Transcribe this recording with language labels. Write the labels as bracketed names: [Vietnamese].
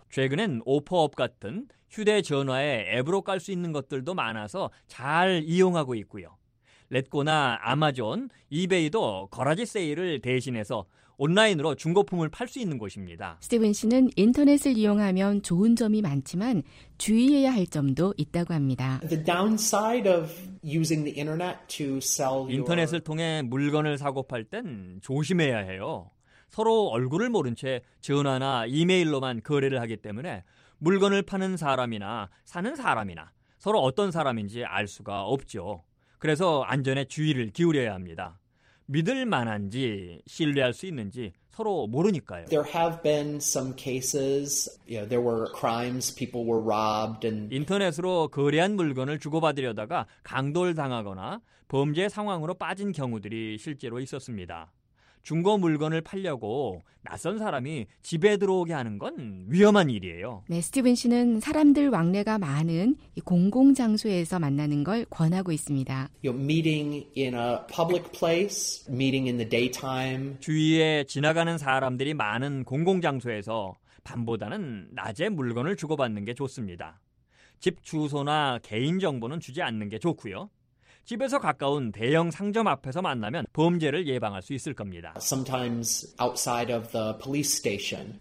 [Korean] 최근엔 오퍼업 같은 휴대전화에 앱으로 깔 수 있는 것들도 많아서 잘 이용하고 있고요. 렛고나 아마존, 이베이도 거라지 세일을 대신해서 온라인으로 중고품을 팔 수 있는 곳입니다. 스티븐 씨는 인터넷을 이용하면 좋은 점이 많지만 주의해야 할 점도 있다고 합니다. [English] The downside of using the internet to sell your [Korean] 인터넷을 통해 물건을 사고 팔 땐 조심해야 해요. 서로 얼굴을 모른 채 전화나 이메일로만 거래를 하기 때문에 물건을 파는 사람이나 사는 사람이나 서로 어떤 사람인지 알 수가 없죠. 그래서 안전에 주의를 기울여야 합니다. 믿을 만한지 신뢰할 수 있는지 서로 모르니까요. [English] There have been some cases, you know, there were crimes, people were robbed and [Korean] 인터넷으로 거래한 물건을 주고받으려다가 강도를 당하거나 범죄 상황으로 빠진 경우들이 실제로 있었습니다. 중고 물건을 팔려고 낯선 사람이 집에 들어오게 하는 건 위험한 일이에요. 네, 스티븐 씨는 사람들 왕래가 많은 공공장소에서 만나는 걸 권하고 있습니다. [English] Meeting in a public place, meeting in the daytime. [Korean] 주위에 지나가는 사람들이 많은 공공장소에서 밤보다는 낮에 물건을 주고받는 게 좋습니다. 집 주소나 개인정보는 주지 않는 게 좋고요. 집에서 가까운 대형 상점 앞에서 만나면 범죄를 예방할 수 있을 겁니다. [English] Sometimes outside of the police station.